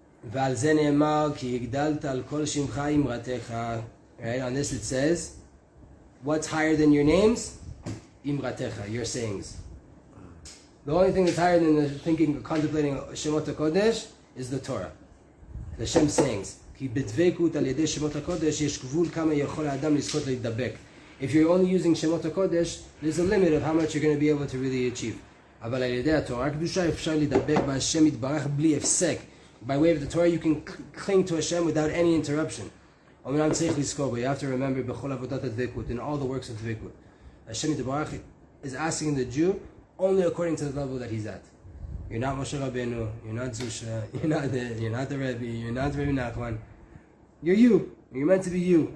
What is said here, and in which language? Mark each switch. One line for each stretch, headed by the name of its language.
Hebrew: ועל זה נאמר, כי הגדלת על כל שמך אמרתך.
English: Right? On this it says, what's higher than your names? אמרתך, your sayings. The only thing that's higher than thinking or contemplating שמות הקודש is the Torah. The Shem sayings.
Hebrew: כי בדבקות על ידי שמות הקודש יש גבול כמה יכול האדם לזכות להתדבק.
English: If you're only using שמות הקודש, there's a limit of how much you're going to be able to really achieve.
Hebrew: אבל על ידי התורה הקדושה אפשר להתדבק בהשם יתברך בלי הפסק.
English: By way of the Torah, you can cling to Hashem without any interruption. Omeram tzeich lizkor, but you have to remember b'chol avodat ha-dvekut, in all the works of dvekut. Hashem Yitbarach is asking the Jew only according to the level that he's at. You're not Moshe Rabbeinu, you're not Zusha, you're not the Rebbe, you're not Rebbe Nachman. You're you. You're meant to be you.